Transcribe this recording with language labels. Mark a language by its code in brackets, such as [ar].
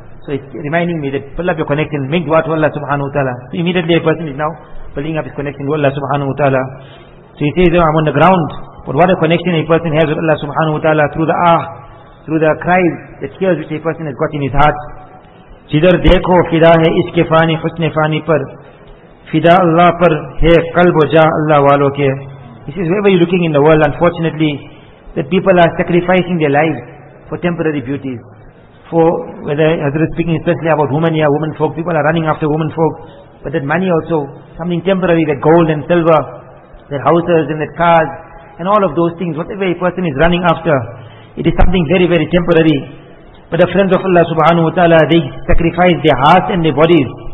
[en] So he's reminding me that build up your connection, make dua to Allah subhanahu wa ta'ala. So immediately a person is now building up his connection to Allah subhanahu wa ta'ala. So he says, I'm on the ground, but what a connection a person has with Allah subhanahu wa ta'ala through the ah, through the cries, the tears which a person has got in his heart. [ur] جدھر دیکھو فدا ہے اس کے فانی حسن فانی پر، فدا اللہ پر ہے قلب و جا اللہ والوں کے. [en] This is wherever you're looking in the world, unfortunately, that people are sacrificing their lives for temporary beauties. For whether Hazrat speaking especially about women, yeah, women folk, people are running after women folk. But that money also, something temporary, that gold and silver, that houses and that cars, and all of those things, whatever a person is running after, it is something very, very temporary. But the friends of Allah subhanahu wa ta'ala, they sacrifice their hearts and their bodies